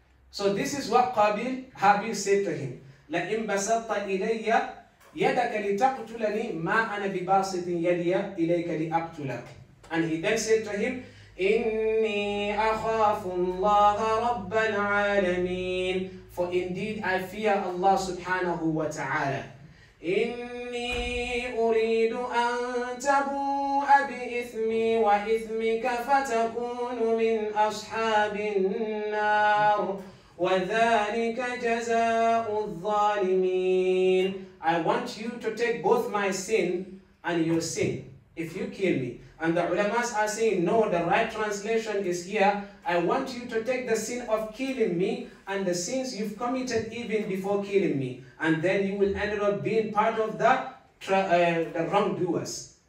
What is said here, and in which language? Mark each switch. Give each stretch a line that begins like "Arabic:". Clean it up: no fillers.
English: So this is what Qabil, Habil said to him.
Arabic: لَإِن بَسَطَّ إِلَيَّ يَدَكَ لِتَقْتُلَنِي مَا أَنَا بِبَاسِطٍ يَدِيَ إِلَيْكَ لِأَقْتُلَكَ.
English: And he then said to him,
Arabic: إِنِّي أَخَافُ اللَّهَ رَبَّ الْعَالَمِينَ.
English: For indeed I fear Allah subhanahu wa ta'ala.
Arabic: إني أريد أن تبوء بإثمي وإثمك فتكون من أصحاب النار وذلك جزاء الظالمين.
English: I want you to take both my sin and your sin if you kill me. And the ulamas are saying, no, the right translation is here. I want you to take the sin of killing me and the sins you've committed even before killing me. And then you will end up being part of the wrongdoers.